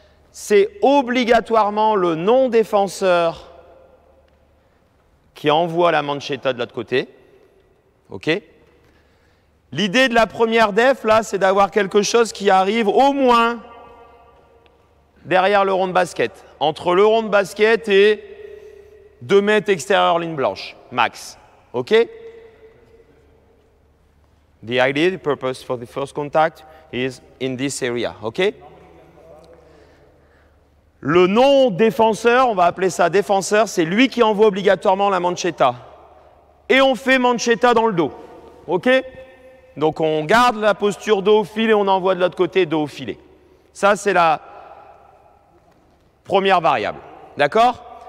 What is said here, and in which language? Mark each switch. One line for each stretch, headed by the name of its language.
French: C'est obligatoirement le non-défenseur qui envoie la manchetta de l'autre côté, ok. L'idée de la première def, là, c'est d'avoir quelque chose qui arrive au moins derrière le rond de basket. Entre le rond de basket et 2 mètres extérieur ligne blanche, max. OK?
English: The idea, the purpose for the first contact is in this area. OK?
French: Le non défenseur, on va appeler ça défenseur, c'est lui qui envoie obligatoirement la manchetta. Et on fait manchetta dans le dos. OK? Donc on garde la posture dos au fil et on envoie de l'autre côté dos au filet. Ça, c'est la première variable. D'accord?